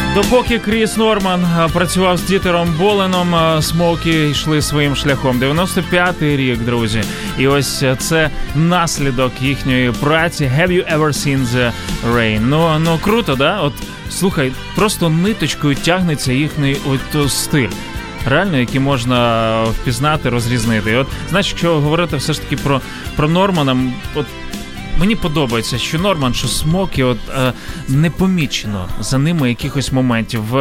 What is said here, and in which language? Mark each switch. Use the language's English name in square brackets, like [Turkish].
[Ukrainian] Поки Кріс Норман працював з Дітером Боленом, Смокі йшли своїм шляхом. 95-й рік, друзі. І ось це наслідок їхньої праці. [English] Have you ever seen the rain? [Ukrainian] Ну круто, да? От, слухай, просто ниточкою тягнеться їхній от стиль. Реально, який можна впізнати, розрізнити. І от, знаєш, якщо говорити все ж таки про Нормана, от, мені подобається, що Норман, що Смокі, от непомічено за ними якихось моментів.